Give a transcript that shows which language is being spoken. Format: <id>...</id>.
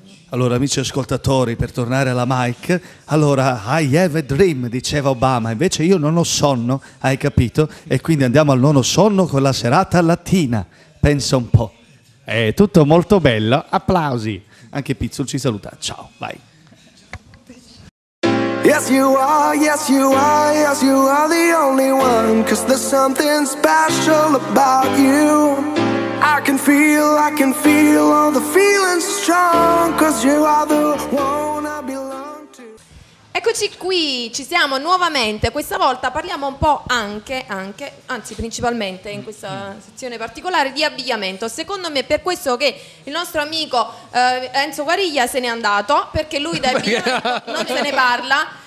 <it>Allora amici ascoltatori, per tornare alla Mike, allora</it> <en>I have a dream,</en> <it>diceva Obama, invece io non ho sonno, hai capito? E quindi andiamo al nono sonno con la serata latina, pensa un po'. È tutto molto bello, applausi. Anche Pizzul ci saluta, ciao, vai.</it> <en>Yes you are, yes you are the only one, 'cause there's something special about you. I can feel all the feelings strong, 'cause you are the one I belong to.</en> <it>Eccoci qui, ci siamo nuovamente. Questa volta parliamo un po' anzi principalmente in questa sezione particolare di abbigliamento. Secondo me è per questo che il nostro amico Enzo Guariglia se n'è andato, perché lui da abbigliamento non se ne parla.</it>